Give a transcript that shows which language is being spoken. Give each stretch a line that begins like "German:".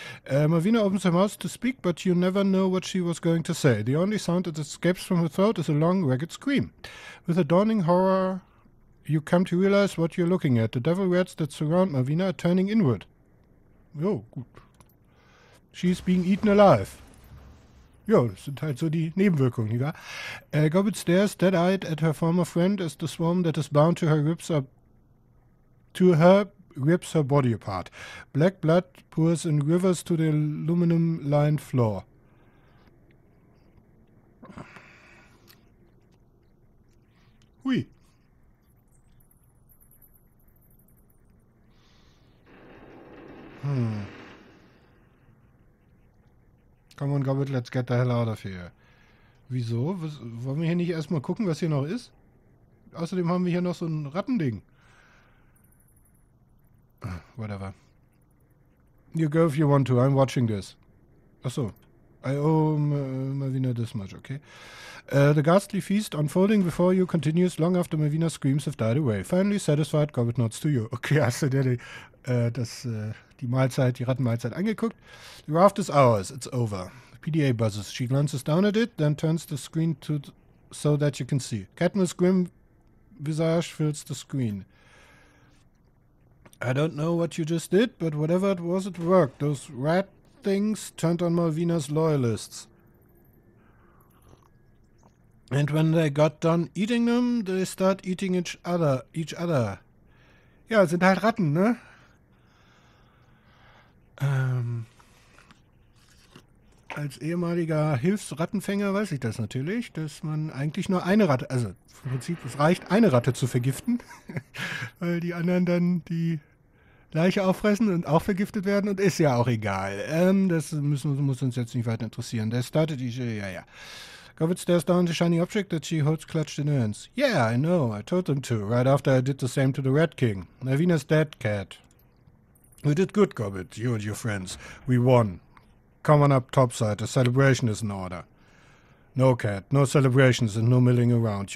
English: Marvina opens her mouth to speak, but you never know what she was going to say. The only sound that escapes from her throat is a long, ragged scream. With a dawning horror, you come to realize what you're looking at. The devil rats that surround Marvina are turning inward.
German: Oh, gut.
English: She's being eaten alive.
German: Ja, das sind halt so die Nebenwirkungen, nicht wahr?
English: Gobbled stares dead-eyed at her former friend as the swarm that is bound to her rips her. To her rips her body apart. Black blood pours in rivers to the aluminum-lined floor. Hui. Come on, Gobbled, let's get the hell out of here.
German: Wieso? Was, wollen wir hier nicht erstmal gucken, was hier noch ist? Außerdem haben wir hier noch so ein Rattending.
English: Whatever. You go if you want to, I'm watching this.
German: Achso.
English: I owe Malvina this much, okay? The ghastly feast unfolding before you continues long after Malvina's screams have died away. Finally satisfied, Gobbled nods to you.
German: Okay, hast du dir die Mahlzeit, die Rattenmahlzeit angeguckt?
English: The raft is ours, it's over. PDA buzzes. She glances down at it, then turns the screen to so that you can see. Cadmus' grim visage fills the screen. I don't know what you just did, but whatever it was, it worked. Those rat things turned on Malvina's loyalists. And when they got done eating them, they start eating each other.
German: Ja, sind halt Ratten, ne? Als ehemaliger Hilfsrattenfänger weiß ich das natürlich, dass man eigentlich nur eine Ratte, also im Prinzip, es reicht, eine Ratte zu vergiften, weil die anderen dann die Leiche auffressen und auch vergiftet werden und ist ja auch egal. Das muss uns jetzt nicht weiter interessieren. Der startet, ja.
English: Gobbled stares down the shiny object that she holds clutched in her hands. Yeah, I know, I told them to, right after I did the same to the Red King. Navina's dead cat. We did good, Gobbled, you and your friends. We won. Come on up topside, the celebration is in order. No, cat, no celebrations and no milling around.